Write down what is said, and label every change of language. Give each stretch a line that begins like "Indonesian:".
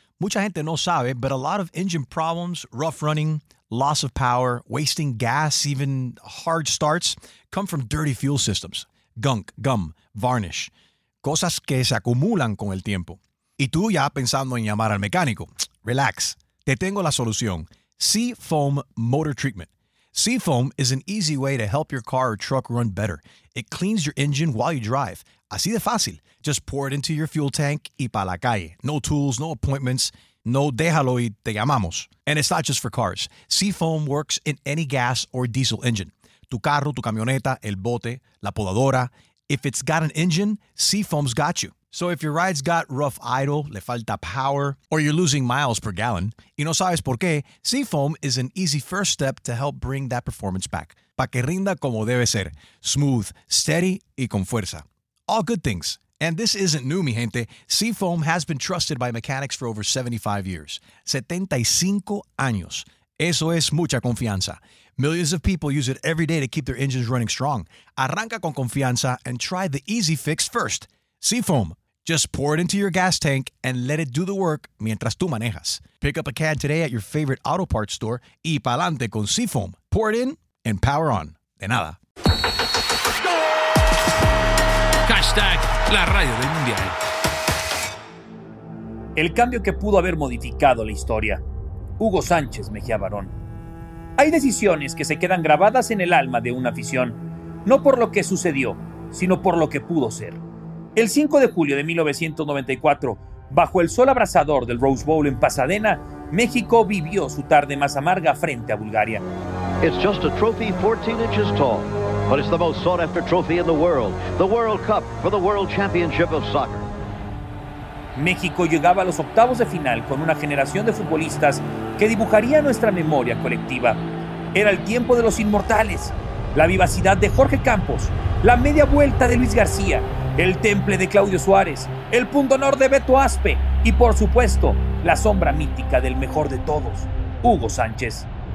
Spanish: Mucha gente no sabe,
English: but a lot of engine problems, rough running, loss of power, wasting gas, even hard starts, come from dirty fuel systems. Gunk, gum, varnish.
Spanish: Cosas que se acumulan con el tiempo. Y tú ya pensando en llamar al mecánico. Relax. Te tengo la solución. Seafoam Motor Treatment.
English: Seafoam is an easy way to help your car or truck run better. It cleans your engine while you drive.
Spanish: Así de fácil.
English: Just pour it into your fuel tank
Spanish: y pa' la calle.
English: No tools, no appointments, no
Spanish: déjalo y te llamamos.
English: And it's not just for cars. Seafoam works in any gas or diesel engine.
Spanish: Tu carro, tu camioneta, el bote, la podadora.
English: If it's got an engine, Seafoam's got you. So if your ride's got rough idle,
Spanish: le falta
English: power, or you're losing miles per gallon,
Spanish: y no sabes por qué,
English: Seafoam is an easy first step to help bring that performance back.
Spanish: Pa' que rinda como debe ser.
English: Smooth, steady,
Spanish: y con fuerza.
English: All good things. And this isn't new,
Spanish: mi gente.
English: Seafoam has been trusted by mechanics for over 75 years.
Spanish: 75 años. Eso es mucha confianza.
English: Millions of people use it every day to keep their engines running strong.
Spanish: Arranca con confianza
English: and try the easy fix first. Seafoam. Just pour it into your gas tank and let it do the work
Spanish: mientras tú manejas.
English: Pick up a can today at your favorite auto parts store
Spanish: y pa'lante
English: con Seafoam. Pour it in and power on.
Spanish: De nada. Hashtag la radio del mundial. El cambio que pudo haber modificado la historia. Hugo Sánchez Mejía Barón. Hay decisiones que se quedan grabadas en el alma de una afición, no por lo que sucedió, sino por lo que pudo ser. El 5 de julio de 1994, bajo el sol abrasador del Rose Bowl en Pasadena, México vivió su tarde más amarga frente a Bulgaria.
English: It's just a trophy 14 inches tall, but it's the most sought after trophy in the world, the World Cup for the World Championship of Soccer.
Spanish: México llegaba a los octavos de final con una generación de futbolistas que dibujaría nuestra memoria colectiva. Era el tiempo de los inmortales, la vivacidad de Jorge Campos, la media vuelta de Luis García, el temple de Claudio Suárez, el pundonor de Beto Aspe y, por supuesto, la sombra mítica del mejor de todos, Hugo Sánchez.